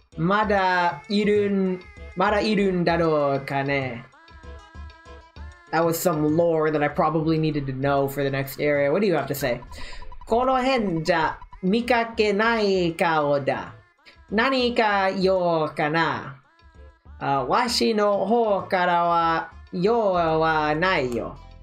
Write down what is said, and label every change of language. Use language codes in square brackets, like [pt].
[ja] まだいるんだろうかね。 [en] That was some lore that I probably needed to know for the next area. What do you have to say? [ja] この辺じゃ見かけない顔だ。何か用かな？わしの方からは用はないよ。